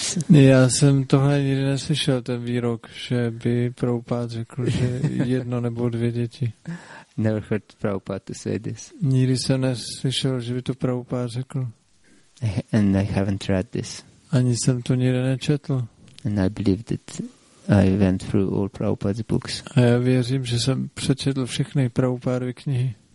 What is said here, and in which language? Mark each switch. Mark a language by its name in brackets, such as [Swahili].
[Czech] Já jsem tohle nikdy neslyšel, ten výrok, že by Prabhupada řekl, že jedno nebo dvě děti. [English] Never heard Prabhupada to say this. [Czech] Nikdy jsem neslyšel, že by to Prabhupada řekl. [English] And I haven't read this. [Czech] Ani jsem to nikdy nečetl. [English] And I believe that I went through all Prabhupada's books. [Czech] A já věřím, že jsem přečetl všechny Prabhupádovy knihy.